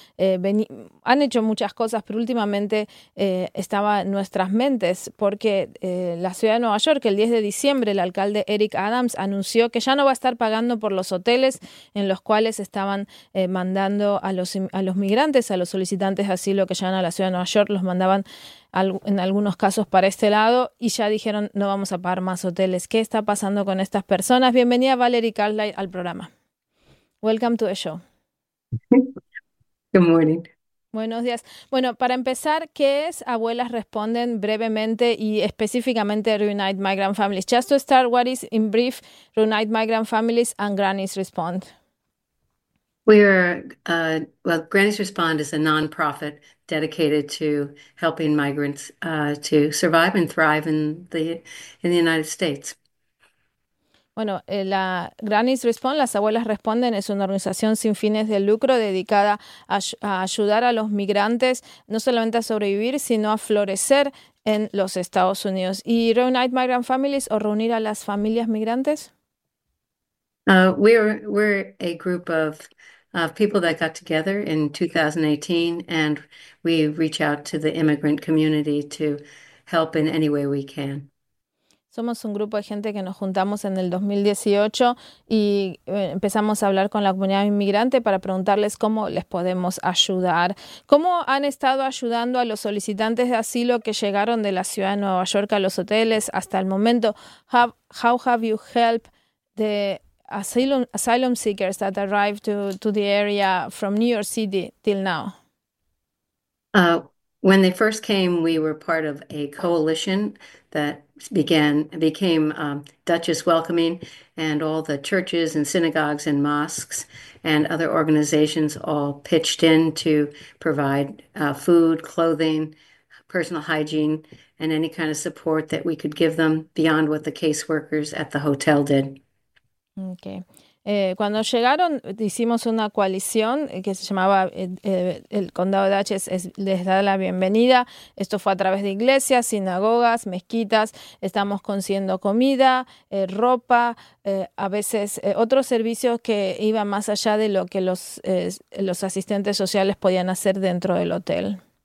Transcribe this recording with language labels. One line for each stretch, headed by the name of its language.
Spanish: Han hecho muchas cosas, pero últimamente estaba en nuestras mentes porque la ciudad de Nueva York, el 10 de diciembre, el alcalde Eric Adams anunció que ya no va a estar pagando por los hoteles en los cuales estaban mandando a los solicitantes de asilo que llegan a la ciudad de Nueva York, los mandaban en algunos casos para este lado y ya dijeron no vamos a pagar más hoteles. ¿Qué está pasando con estas personas? Bienvenida Valerie Carlisle al programa.
English: Welcome to the show. Good morning.
Spanish: Buenos días. Bueno, para empezar, ¿qué es Abuelas Responden brevemente y específicamente Reunite Migrant Families?
English: Just to start, what is in brief Reunite Migrant Families and Grannies Respond? We are, Grannies Respond is a nonprofit dedicated to helping migrants to survive and thrive in the United States.
Spanish: Bueno, la Grannies Respond, las Abuelas Responden, es una organización sin fines de lucro dedicada a ayudar a los migrantes no solamente a sobrevivir, sino a florecer en los Estados Unidos. ¿Y Reunite Migrant Families o Reunir a las Familias Migrantes?
English: We're a group of people that got together in 2018, and we reach out to the immigrant community to help in any way we can.
Spanish: Somos un grupo de gente que nos juntamos en el 2018 y empezamos a hablar con la comunidad inmigrante para preguntarles cómo les podemos ayudar. ¿Cómo han estado ayudando a los solicitantes de asilo que llegaron de la ciudad de Nueva York a los hoteles hasta el momento?
English: How have you helped the asylum seekers that arrived to the area from New York City till now? When they first came, we were part of a coalition that became Dutchess Welcoming, and all the churches and synagogues and mosques and other organizations all pitched in to provide food, clothing, personal hygiene, and any kind of support that we could give them beyond what the caseworkers at the hotel did. Okay.
Spanish: Cuando llegaron, hicimos una coalición que se llamaba el Condado de Dutchess les da la bienvenida. Esto fue a través de iglesias, sinagogas, mezquitas. Estamos consiguiendo comida, ropa, a veces otros servicios que iban más allá de lo que los asistentes sociales podían hacer dentro del hotel.